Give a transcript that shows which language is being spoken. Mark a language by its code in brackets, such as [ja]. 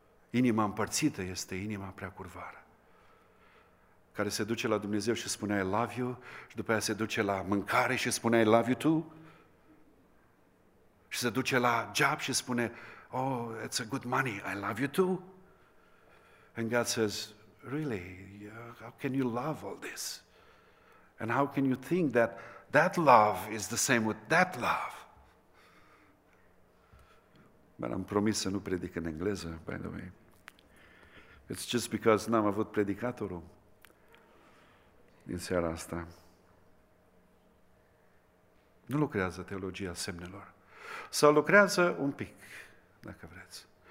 [ro] Inima împărțită este inima prea curvară. Care se duce la Dumnezeu și spune [en] I love you [ro] și după aia se duce la mâncare și spune [en] I love you too. [ro] Și se duce la job și spune [en] oh, it's a good money, I love you too. And God says, really, how can you love all this? And how can you think that that love is the same with that love? [ro] But am promis să nu predic în engleză, [en] by the way. It's just because [ro] n-am avut predicatorul din seara asta. Nu lucrează teologia semnelor. Sau lucrează un pic, dacă vreți.